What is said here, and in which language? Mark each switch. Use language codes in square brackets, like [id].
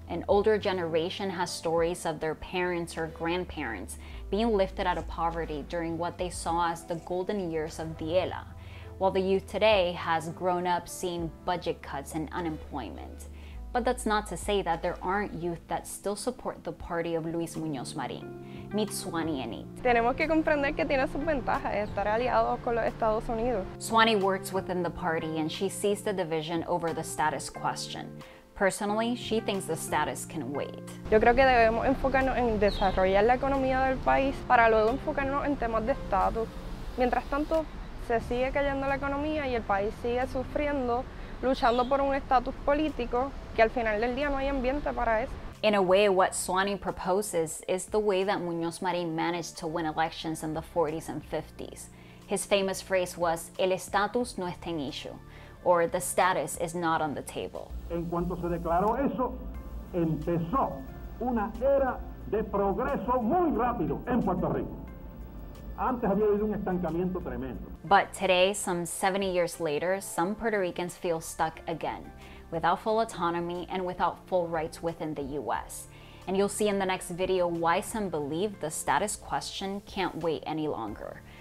[en] An older generation has stories of their parents or grandparents being lifted out of poverty during what they saw as the golden years of the ELA, while the youth today has grown up seeing budget cuts and unemployment. But that's not to say that there aren't youth that still support the party of Luis Muñoz Marín. Meet Swanee and Anit. [es] Tenemos que comprender que tiene sus ventajas estar aliado con los Estados Unidos. [en] Swanee works within the party and she sees the division over the status question. Personally, she thinks the status can wait. [es] Yo creo que debemos enfocarnos en desarrollar la economía del país para luego enfocarnos en temas de estatus. Mientras tanto, se sigue cayendo la economía y el país sigue sufriendo luchando por un estatus político que al final del día no hay ambiente para eso. [en] In a way, what Swanee proposes is the way that Muñoz Marín managed to win elections in the 40s and 50s. His famous phrase was, [es] el estatus no está en issue, [en] or the status is not on the table. [es] En cuanto se declaró eso, empezó una era de progreso muy rápido en Puerto Rico. Antes había habido un estancamiento tremendo. [en] But today, some 70 years later, some Puerto Ricans feel stuck again, without full autonomy and without full rights within the U.S. And you'll see in the next video why some believe the status question can't wait any longer.